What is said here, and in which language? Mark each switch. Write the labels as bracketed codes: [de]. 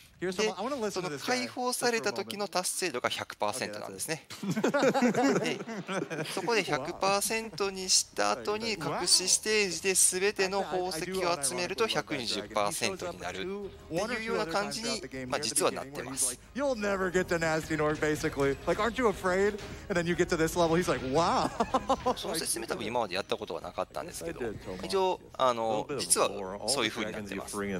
[ja] で、その解放された時の達成度が 100% なんですね。で、そこで 100% にした後に隠しステージで全ての宝石を集めると 120% になるっていうような感じに、まあ、実はなってます。 [en] You'll never get the nasty Norg basically. Like, aren't you afraid? And then you get to this level, he's like, wow. [ja] その説明多分今までやったことはなかったんですけど、一応あの実はそういう風になってます。